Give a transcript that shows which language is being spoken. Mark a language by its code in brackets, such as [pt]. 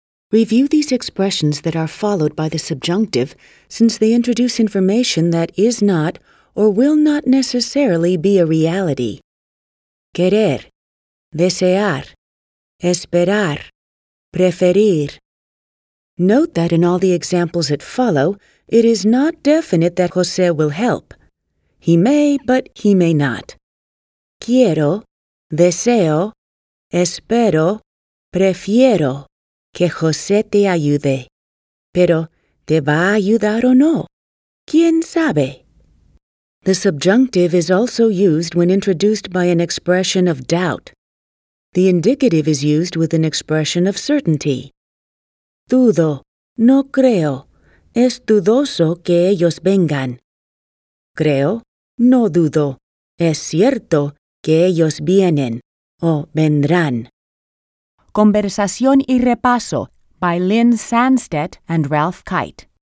[en] Review these expressions that are followed by the subjunctive, since they introduce information that is not or will not necessarily be a reality. [es] Querer, desear, esperar, preferir. [en] Note that in all the examples that follow, it is not definite that José will help. He may, but he may not. [es] Quiero, deseo, espero, prefiero que José te ayude. Pero, ¿te va a ayudar o no? ¿Quién sabe? [en] The subjunctive is also used when introduced by an expression of doubt. The indicative is used with an expression of certainty. [es] Dudo, no creo, es dudoso que ellos vengan. Creo, no dudo, es cierto que ellos vienen o vendrán. [en] Conversación y repaso by Lynn Sandstedt and Ralph Kite.